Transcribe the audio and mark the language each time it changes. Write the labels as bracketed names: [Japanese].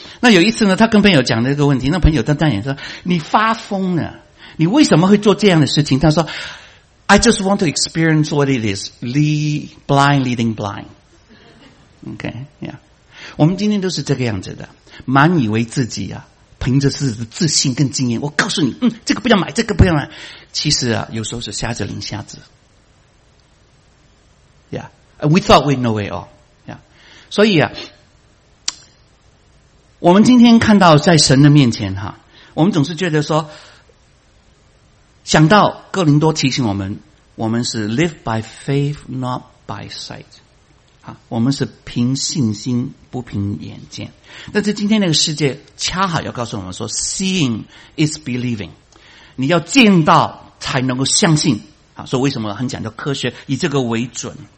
[Chinese] 那有一次呢，他跟朋友讲这个问题，那朋友瞪大眼说：“你发疯了，你为什么会做这样的事情？”他说 ： [English] “I just want to experience what it is, blind leading blind.” [Chinese] OK， yeah， 我们今天都是这个样子的，满以为自己啊。凭着自己的自信跟经验，我告诉你，嗯，这个不要买，这个不要买。其实啊，有时候是瞎子领瞎子。 [English] Yeah, we thought we know it all. [Chinese] Yeah, 所以啊，我们今天看到在神的面前哈，我们总是觉得说，想到哥林多提醒我们，我们是 [English] live by faith, not by sight。 [Chinese] 我们是凭信心不凭眼见，但是今天那个世界恰好要告诉我们说 [English] seeing is believing， [Chinese] 你要见到才能够相信，所以为什么很讲究科学，以这个为准。